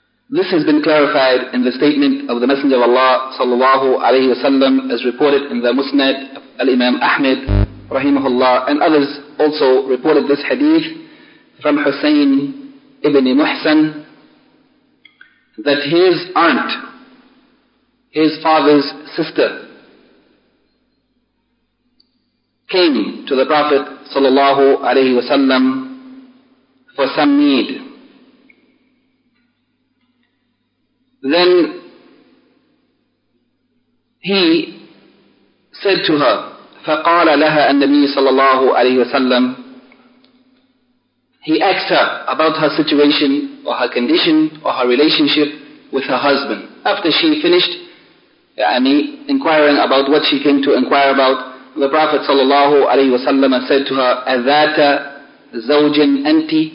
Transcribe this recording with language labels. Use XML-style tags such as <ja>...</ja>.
<en>This has been clarified in the statement of the Messenger of Allah sallallahu alayhi wa sallam, as reported in the Musnad of Al-Imam Ahmed rahimahullah, and others also reported this hadith from Hussein ibn Muhsan, that his aunt, his father's sister, came to the Prophet sallallahu alayhi wa sallam for some need. Then he said to her,</en> <ar>فَقَالَ لَهَا النَّبِيُّ صَلَى اللَّهُ عَلَيْهِ وَسَلَّمُ.</ar> <en>He asked her about her situation or her condition or her relationship with her husband. After she finished inquiring about what she came to inquire about, the Prophet sallallahu alayhi wa sallam said to her,</en> <ar>أَذَاتَ زَوْجٍ أَنْتِ.</ar>